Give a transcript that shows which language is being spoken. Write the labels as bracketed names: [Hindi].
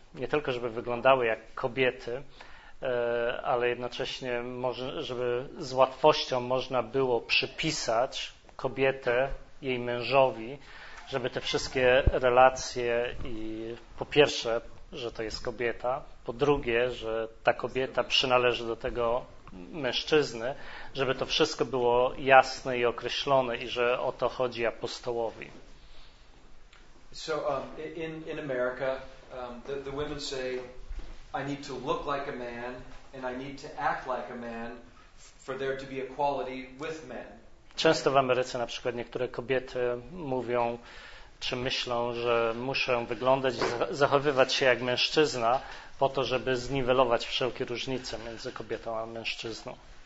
[Polish] Nie tylko, żeby wyglądały jak kobiety, ale jednocześnie może, żeby z łatwością można było przypisać kobietę jej mężowi, żeby te wszystkie relacje i po pierwsze, że to jest kobieta, po drugie, że ta kobieta przynależy do tego mężczyzny, żeby to wszystko było jasne i określone i że o to chodzi apostołowi. [English] So in America, the women say, I need to look like a man and I need to act like a man for there to be equality with men. [Polish] Często w Ameryce na przykład niektóre kobiety mówią czy myślą, że muszę wyglądać i zachowywać się jak mężczyzna po to, żeby zniwelować wszelkie różnice między kobietą a mężczyzną.